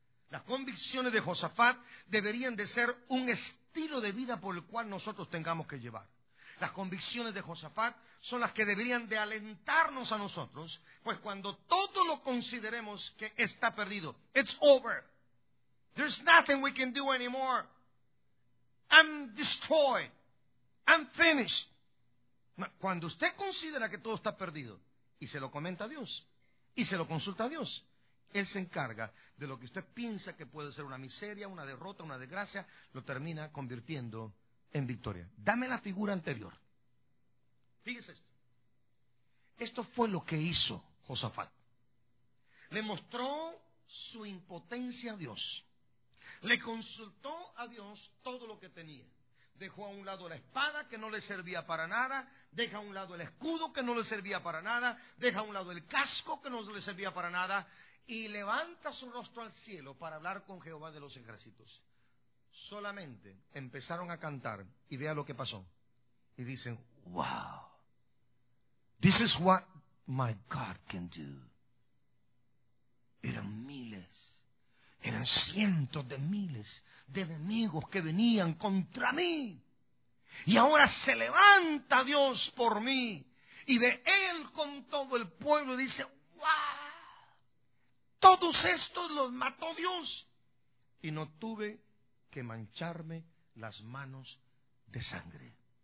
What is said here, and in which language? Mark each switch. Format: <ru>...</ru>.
<es>Las convicciones de Josafat deberían de ser un estilo de vida por el cual nosotros tengamos que llevar. Las convicciones de Josafat son las que deberían de alentarnos a nosotros, pues cuando todo lo consideremos que está perdido,</es> <en>it's over. There's nothing we can do anymore. I'm destroyed. I'm finished.</en> <es>Cuando usted considera que todo está perdido, y se lo comenta a Dios, y se lo consulta a Dios, Él se encarga de lo que usted piensa que puede ser una miseria, una derrota, una desgracia, lo termina convirtiendo en victoria. Dame la figura anterior. Fíjese esto. Esto fue lo que hizo Josafat. Le mostró su impotencia a Dios. Le consultó a Dios todo lo que tenía. Dejó a un lado la espada que no le servía para nada. Deja a un lado el escudo que no le servía para nada. Deja a un lado el casco que no le servía para nada. Y levanta su rostro al cielo para hablar con Jehová de los ejércitos. Solamente empezaron a cantar y vea lo que pasó. Y dicen,</es> <en>wow, this is what my God can do.</en> <es>Eran miles. Eran cientos de miles de enemigos que venían contra mí. Y ahora se levanta Dios por mí. Y ve Él con todo el pueblo y dice, ¡guau! Todos estos los mató Dios. Y no tuve que mancharme las manos de sangre.</es>